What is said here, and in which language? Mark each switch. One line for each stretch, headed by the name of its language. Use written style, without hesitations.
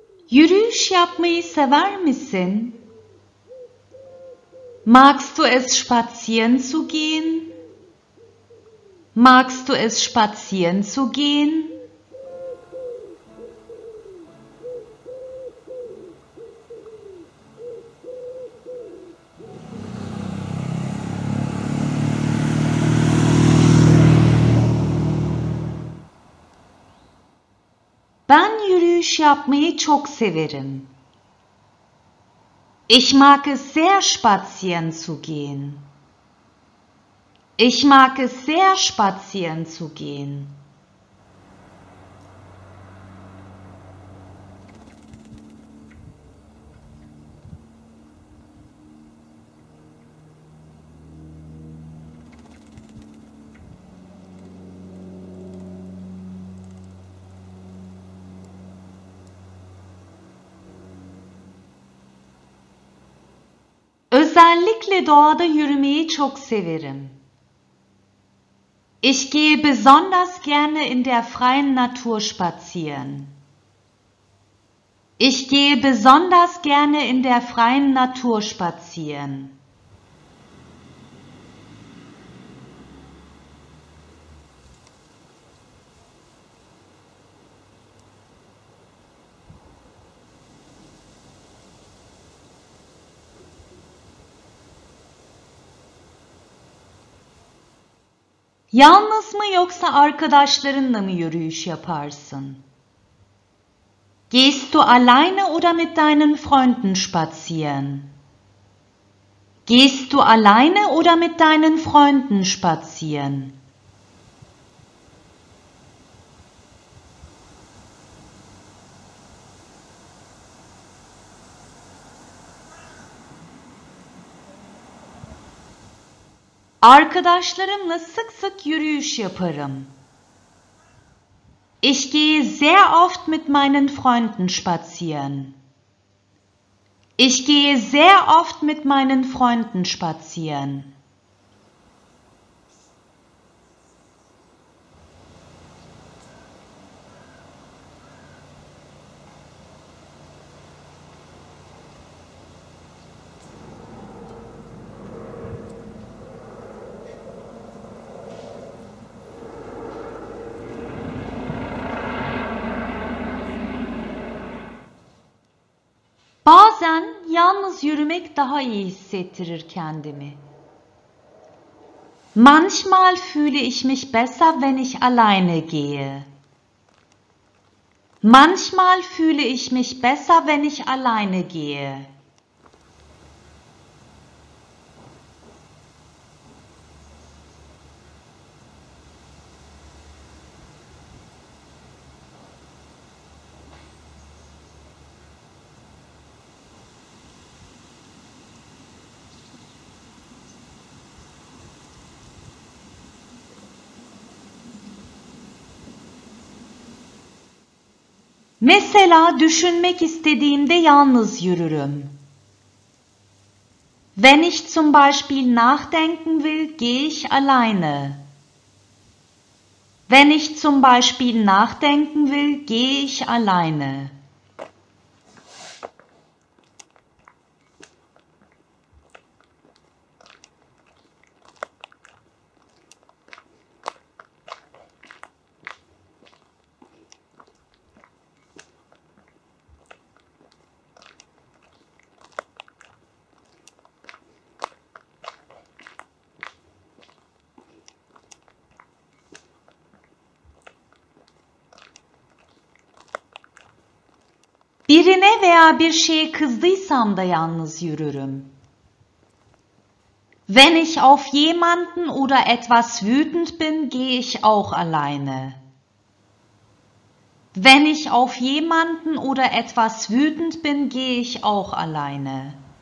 Turkish: Yürüyüş yapmayı sever misin?
German: Magst du es spazieren zu gehen? Magst du es spazieren zu gehen?
Turkish: Ben yürüyüş yapmayı çok severim.
German: Ich mag es sehr, spazieren zu gehen. Ich mag es sehr, spazieren zu gehen.
Turkish: Özellikle doğada yürümeyi çok severim.
German: Ich gehe besonders gerne in der freien Natur spazieren. Ich gehe besonders gerne in der freien Natur spazieren.
Turkish: Yalnız mı yoksa arkadaşlarınla mı yürüyüş yaparsın?
German: Gehst du alleine oder mit deinen Freunden spazieren? Gehst du alleine oder mit deinen Freunden spazieren?
Turkish: Arkadaşlarımla sık sık yürüyüş yaparım.
German: Ich gehe sehr oft mit meinen Freunden spazieren. Ich gehe sehr oft mit meinen Freunden spazieren.
Turkish: Bazen yalnız yürümek daha iyi hissettirir kendimi.
German: Manchmal fühle ich mich besser, wenn ich alleine gehe. Manchmal fühle ich mich besser, wenn ich alleine gehe.
Turkish: Mesela düşünmek istediğimde yalnız yürürüm.
German: Wenn ich zum Beispiel nachdenken will, gehe ich alleine. Wenn ich zum Beispiel nachdenken will, gehe ich alleine.
Turkish: Birine veya bir şeye kızdıysam da yalnız yürürüm.
German: Wenn ich auf jemanden oder etwas wütend bin, gehe ich auch alleine. Wenn ich auf jemanden oder etwas wütend bin, gehe ich auch alleine.